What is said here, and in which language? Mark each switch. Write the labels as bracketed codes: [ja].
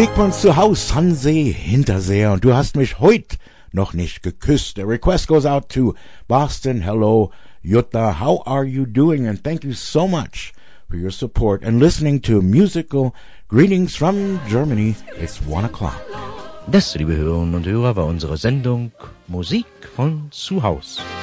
[de] Zu Haus, Hansee, Hinterseer, und du hast mich heute noch nicht geküsst. [en] A request goes out to Boston. Hello, Jutta. How are you doing? And thank you so much for your support and listening to musical greetings from Germany. It's 1 o'clock. [de] Das, liebe Hörerinnen und Hörer, war unsere Sendung Musik von zu Haus.